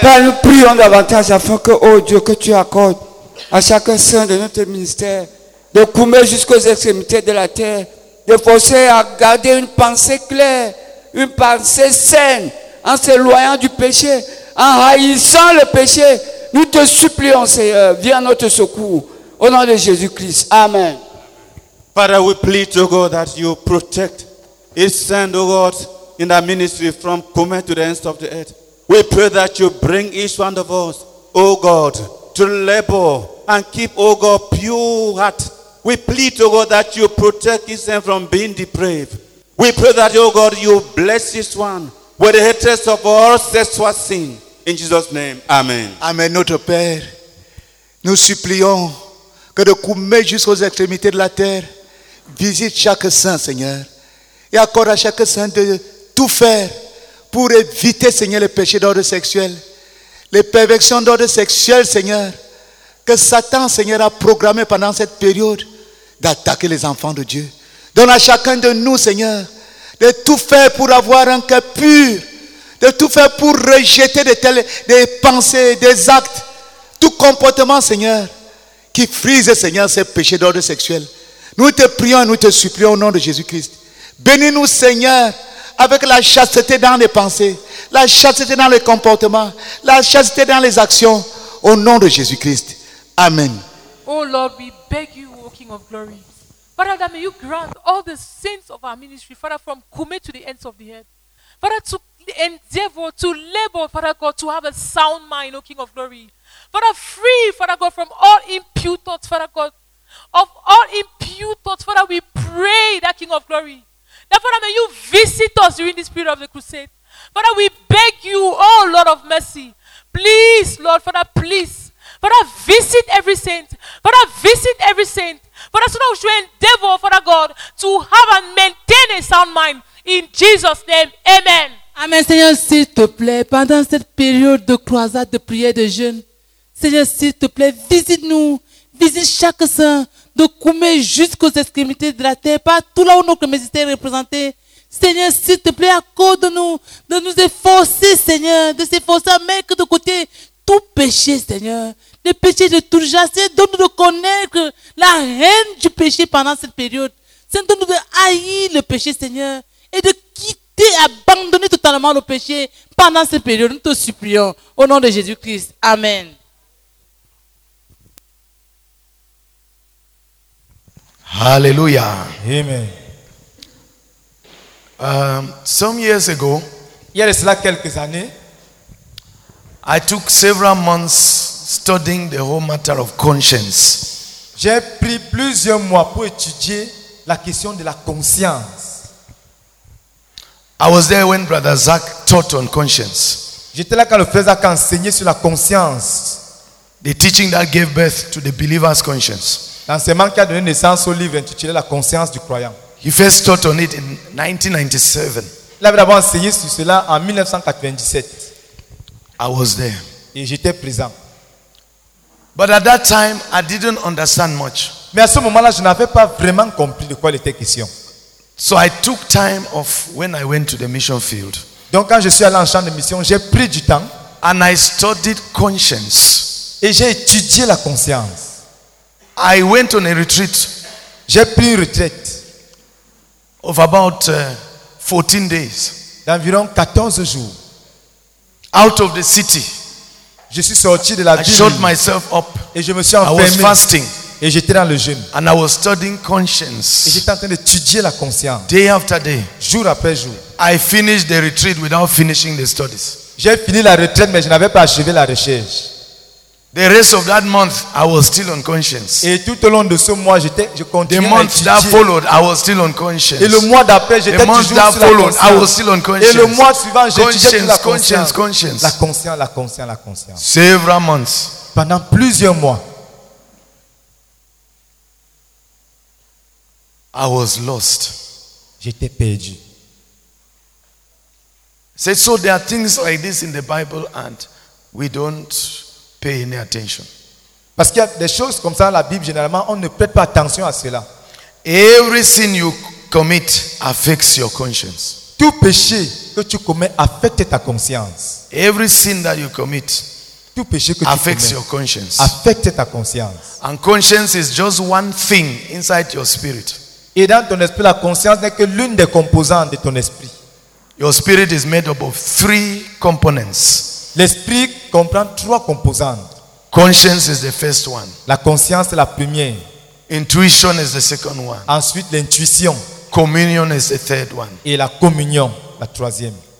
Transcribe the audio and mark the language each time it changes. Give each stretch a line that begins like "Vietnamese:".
French: Père, nous prions davantage afin que, oh Dieu, que tu accordes à chacun saint de notre ministère, de Koumé jusqu'aux extrémités de la terre, de forcer à garder une pensée claire, une pensée saine, en s'éloignant du péché, en haïssant le péché. Nous te supplions, Seigneur, viens à notre secours. Au nom de Jésus-Christ. Amen.
English: Father, we plead to God that you protect each saint, oh God, in the ministry from Koumé to the ends of the earth. We pray that you bring each one of us, oh God, to labor and keep, oh God, pure heart. We plead to God that you protect each saint from being depraved. We pray that, oh God, you bless each one with the hatred of all sexual sin. In Jesus' name, amen.
French: Amen, notre Père, nous supplions que de Koumé jusqu'aux extrémités de la terre, visite chaque saint, Seigneur, et accorde à chaque saint de tout faire pour éviter, Seigneur, les péchés d'ordre sexuel, les perversions d'ordre sexuel, Seigneur, que Satan, Seigneur, a programmé pendant cette période d'attaquer les enfants de Dieu. Donne à chacun de nous, Seigneur, de tout faire pour avoir un cœur pur, de tout faire pour rejeter de telles, des pensées, des actes, tout comportement, Seigneur, qui frise, Seigneur, ces péchés d'ordre sexuel. Nous te prions et nous te supplions au nom de Jésus-Christ. Bénis-nous, Seigneur, avec la chasteté dans les pensées, la chasteté dans les comportements, la chasteté dans les actions, au nom de Jésus-Christ. Amen.
English: Oh Lord, we beg you, O King of Glory. Father, that may you grant all the saints of our ministry, Father, from Koumé to the ends of the earth. Father, to endeavor, to labor, Father God, to have a sound mind, O King of Glory. Father, free, Father God, from all impure thoughts, Father God. Of all impure thoughts, Father, we pray that King of Glory. That, Father, may you visit us during this period of the crusade. Father, we beg you, oh Lord of mercy. Please, Lord, Father, please. Father, visit every saint. Father, visit every saint. Father, so that we should endeavor, Father God, to have and maintain a sound mind. In Jesus' name, amen.
French: Amen, Seigneur, s'il te plaît, pendant cette période de croisade, de prière, de jeûne, Seigneur, s'il te plaît, visite-nous, visite chaque saint, de Koumé jusqu'aux extrémités de la terre, partout là où notre ministère est représenté. Seigneur, s'il te plaît, accorde-nous de nous efforcer, Seigneur, de s'efforcer à mettre de côté tout péché, Seigneur, le péché de tout genre. Seigneur, donne-nous de connaître la haine du péché pendant cette période. Sainte-nous de haïr le péché, Seigneur, et de quitter, abandonner totalement le péché pendant cette période. Nous te supplions au nom de Jésus-Christ. Amen. Alléluia. Amen.
English: Some years ago,
French: il y a de cela quelques années,
English: I took several months studying the whole matter of conscience.
French: J'ai pris plusieurs mois pour étudier la question de la conscience.
English: I was there when Brother Zach taught on conscience.
French: J'étais là quand le frère Zach enseignait sur la conscience.
English: The teaching that gave birth to the believer's conscience.
French: L'enseignement qui a donné naissance au livre intitulé La conscience du croyant.
English: He first taught on it in 1997.
French: Il avait d'abord enseigné sur cela en 1997.
English: I was there.
French: Et j'étais présent.
English: But at that time, I didn't understand much.
French: Mais à ce moment-là, je n'avais pas vraiment compris de quoi il était question.
English: So I took time off when I went to the mission field.
French: Donc quand je suis allé en champ de mission, j'ai pris du temps.
English: And I studied conscience.
French: Et j'ai étudié la conscience.
English: I went on a retreat.
French: J'ai pris une retraite.
English: Of about 14 days.
French: D'environ 14 jours.
English: Out of the city.
French: Je suis sorti de la ville.
English: I shut myself up.
French: Et je me suis enfermé.
English: I was fasting.
French: Et j'étais dans le jeûne.
English: And I was studying conscience.
French: Et j'étais en train d'étudier la conscience.
English: Day after day.
French: Jour après jour.
English: I finished the retreat without finishing the studies.
French: J'ai fini la retraite, mais je n'avais pas achevé la recherche.
English: The rest of that month, I was still on conscience.
French: Et tout au long de ce mois, je continuais.
English: The month that followed, I was still on conscience.
French: Et le mois d'après, j'étais toujours sur la conscience.
English: The month that followed, I was still on conscience.
French: Et le mois suivant, j'étais sur la conscience. Conscience, la conscience, la conscience, la conscience.
English: Several months.
French: Pendant plusieurs mois.
English: I was lost.
French: J'étais perdu.
English: Said so. There are things like this in the Bible, and we don't. Pay any attention.
French: Parce qu'il y a des choses comme ça dans la Bible, généralement, on ne prête pas attention à cela.
English: Every sin you commit affects your conscience.
French: Tout péché que tu commets affecte ta conscience.
English: Every sin that you commit,
French: tout péché que
English: affects
French: tu commets
English: your conscience.
French: Affecte ta conscience.
English: And conscience is just one thing inside your spirit.
French: Et dans ton esprit, la conscience n'est que l'une des composantes de ton esprit.
English: Your spirit is made up of three components.
French: L'esprit comprend trois composantes.
English: Conscience is the first one.
French: La conscience est la première.
English: Intuition is the second one.
French: Ensuite l'intuition.
English: Communion is the third one.
French: Et la communion, la troisième.